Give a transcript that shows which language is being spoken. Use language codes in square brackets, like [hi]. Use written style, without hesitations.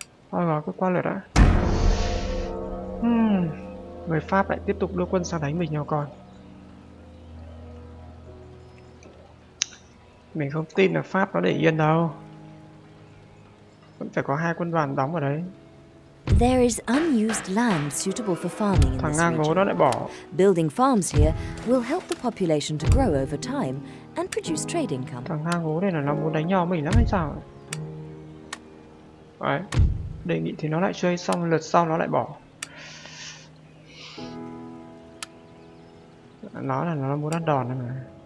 [vi] Thôi rồi, cứ qua lượt đã. Người Pháp lại tiếp tục đưa quân sang đánh mình nhau còn. Mình không tin là Pháp nó để yên đâu. Vẫn phải có hai quân đoàn đóng ở đấy. [en] There is unused land suitable for farming in this region. Building farms here will help the population to grow over time and produce trade income. [vi] Thằng ngang ngố này là nó muốn đánh nhau mình lắm hay sao? Đấy, đề nghị thì nó lại chơi xong, lượt sau nó lại bỏ. Nó là nó muốn ăn đòn này.